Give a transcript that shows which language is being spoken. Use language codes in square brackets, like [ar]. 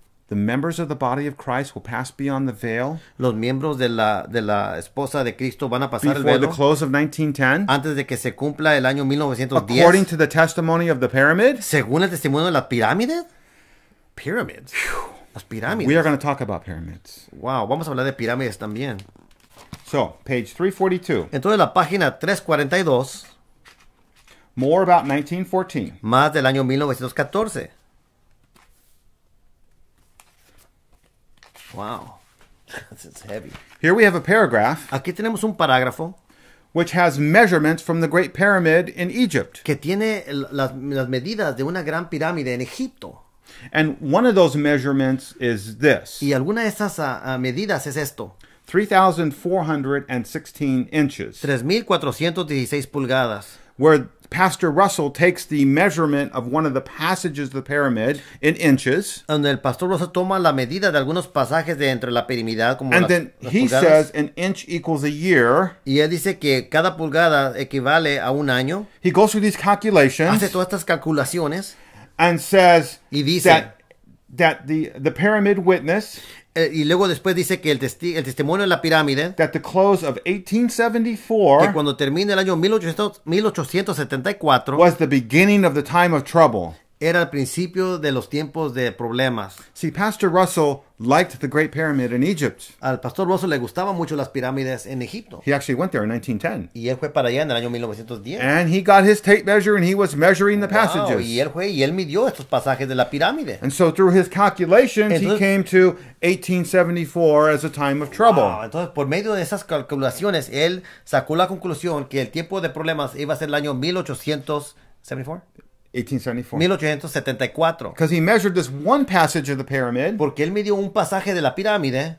[en] The members of the body of Christ will pass beyond the veil. [es] Los miembros de la esposa de Cristo van a pasar [en] before [es] el velo [en] the close of 1910. [es] Antes de que se cumpla el año 1910. [en] According to the testimony of the pyramid. [es] Según el testimonio de la pirámide. Pyramids. Whew. Las pirámides. [en] We are going to talk about pyramids. [es] Wow, vamos a hablar de pirámides también. [en] So, page 342. [es] Entonces, la página 342. [en] More about 1914. [es] Más del año 1914. [en] Wow, that's heavy. Here we have a paragraph. [es] Aquí tenemos un parágrafo. [en] Which has measurements from the Great Pyramid in Egypt. [es] Que tiene las medidas de una gran pirámide en Egipto. [en] And one of those measurements is this. [es] Y alguna de esas medidas es esto. [en] 3,416 inches. [es] 3,416 pulgadas. [en] Where Pastor Russell takes the measurement of one of the passages of the pyramid in inches. [es] Donde el Pastor Russell toma la medida de algunos pasajes de entre la pirimidad como [en] and [es] las, [en] then [es] las [en] he [es] pulgadas. [en] Says an inch equals a year. [es] Y él dice que cada pulgada equivale a un año. [en] He goes through these calculations. [es] Hace todas estas calculaciones. [en] And says [es] y dice, [en] that the pyramid witness. [es] Y luego después dice que el testimonio de la pirámide, [en] that the close of 1874, [es] que cuando termina el año 1874, [en] was the beginning of the time of trouble. [es] Era el principio de los tiempos de problemas. [en] See, Pastor Russell liked the Great Pyramid in Egypt. [es] Al Pastor Russell le gustaban mucho las pirámides en Egipto. [en] He actually went there in 1910. [es] Y él fue para allá en el año 1910. [en] And he got his tape measure and he was measuring the passages. [es] Y él fue y él midió estos pasajes de la pirámide. [en] And so through his calculations, entonces, he came to 1874 as a time of trouble. [es] Entonces, por medio de esas calculaciones, él sacó la conclusión que el tiempo de problemas iba a ser el año 1874. [en] 1874. Because he measured this one passage of the pyramid. [es] Porque él midió un pasaje de la pirámide.